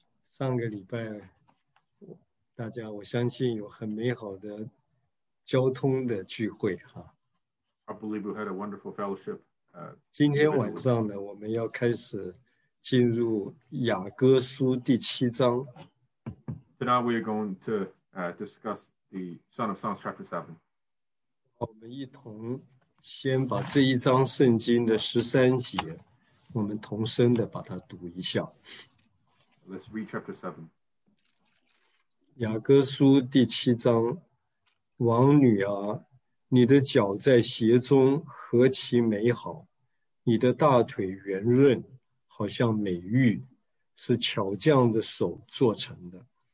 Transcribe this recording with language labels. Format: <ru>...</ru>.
<zh>上个礼拜，大家我相信有很美好的交通的聚会哈。</zh> <en>I believe we had a wonderful fellowship.</en> <zh>今天晚上呢，我们要开始进入雅各书第七章。</zh> <en>Tonight we are going to discuss the Song of Songs chapter 7.</en> <zh>我们一同先把这一章圣经的十三节，我们同声的把它读一下。</zh> <en>Let's read chapter 7.</en> <zh>雅各书第七章，王女啊，你的脚在鞋中何其美好，你的大腿圆润，好像美玉，是巧匠的手做成的。</zh>